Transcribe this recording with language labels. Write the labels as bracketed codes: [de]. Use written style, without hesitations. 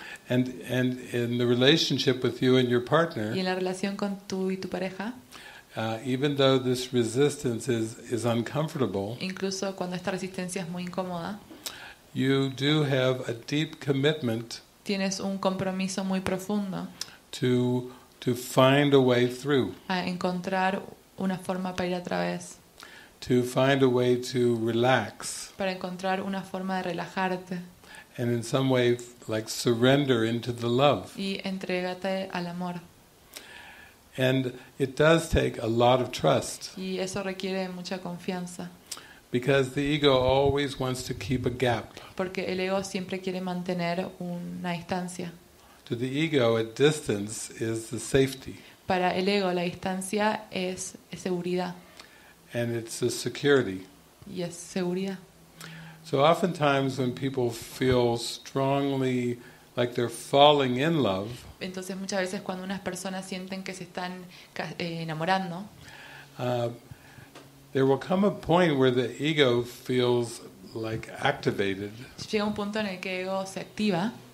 [en] And in the relationship with you and your partner. [es] Y en la relación con tú y tu pareja. [en] Even though this resistance is uncomfortable. [es] Incluso cuando esta resistencia es muy incómoda. [en] You do have a deep commitment. [es] Tienes un compromiso muy profundo. [en] To find a way through. [es] A encontrar una forma para ir a través. [en] To find a way to relax. [es] Para encontrar una forma de relajarte. [en] And in some way, like surrender into the love. [es] Y entrégate al amor. [en] And it does take a lot of trust. [es] Y eso requiere mucha confianza. [en] Because the ego always wants to keep a gap. [es] Porque el ego siempre quiere mantener una distancia. [en] To the ego, a distance is the safety. [es] Para el ego, la distancia es seguridad. [en] And it's a security. [es] Y es seguridad. [en] So oftentimes when people feel strongly like they're falling in love, [es] entonces muchas veces cuando unas personas sienten que se están enamorando, [en] there will come a point where the ego feels like activated. [es] Llega un punto en el que el ego se activa.